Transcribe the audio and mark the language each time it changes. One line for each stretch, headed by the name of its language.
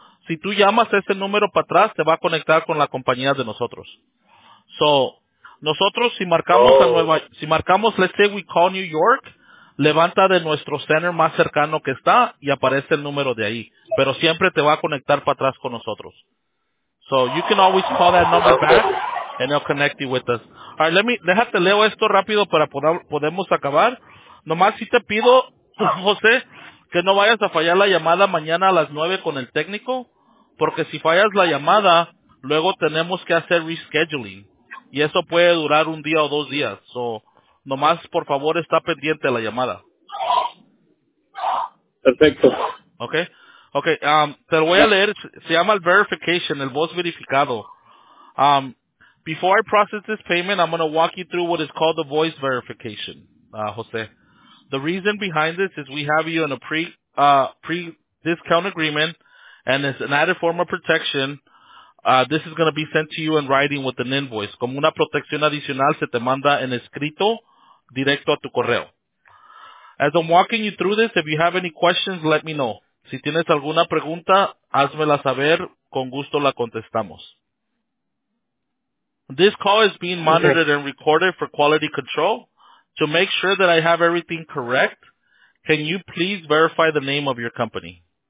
Spanish: Si tú llamas ese número para atrás, te va a conectar con la compañía de nosotros. So, nosotros si marcamos a Nueva, si marcamos,
English: let's say we call New York,
Spanish: levanta de nuestro center más cercano que está y aparece el número de ahí. Pero siempre te va a conectar para atrás con nosotros.
English: So, you can always call that number back and it'll connect you with us. All right,
Spanish: déjate leo esto rápido para podemos acabar. Nomás si te pido, José, que no vayas a fallar la llamada mañana a las 9 con el técnico, porque si fallas la llamada, luego tenemos que hacer rescheduling. Y eso puede durar un día o dos días. So, nomás, por favor, está pendiente la llamada. Perfecto. Okay. Okay, te lo voy a leer. Se llama el verification, el voz verificado.
English: Before I process this payment, I'm going to walk you through what is called the voice verification, Jose. The reason behind this is we have you in a pre-discount agreement, and it's an added form of protection. This is going to be sent to you in writing with an invoice.
Spanish: Como una protección adicional, se te manda en escrito directo a tu correo.
English: As I'm walking you through this, if you have any questions, let me know.
Spanish: Si tienes alguna pregunta, házmela saber. Con gusto la contestamos.
English: This call is being monitored and recorded for quality control. To make sure that I have everything correct, can you please verify the name of your company?